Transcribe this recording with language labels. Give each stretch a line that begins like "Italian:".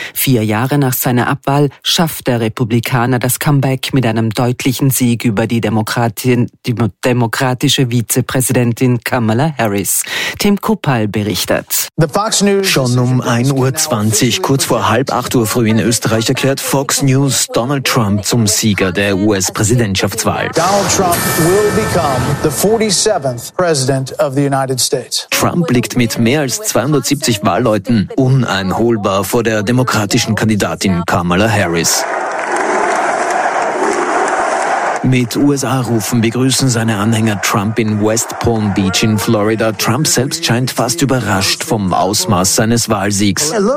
German: 4 Jahre nach seiner Abwahl schafft der Republikaner das Comeback mit einem deutlichen Sieg über die demokratische Vizepräsidentin Kamala Harris. Tim Kuppal berichtet. Schon um 1.20 Uhr, kurz vor 7:30 Uhr früh in Österreich, erklärt Fox News Donald Trump zum Sieger der US-Präsidentschaftswahl.
English: Donald Trump will become the 47th President of the United States.
German: Trump liegt mit mehr als 270 Wahlleuten uneinholbar vor der demokratischen Kandidatin Kamala Harris. Mit USA-Rufen begrüßen seine Anhänger Trump in West Palm Beach in Florida. Trump selbst scheint fast überrascht vom Ausmaß seines Wahlsiegs.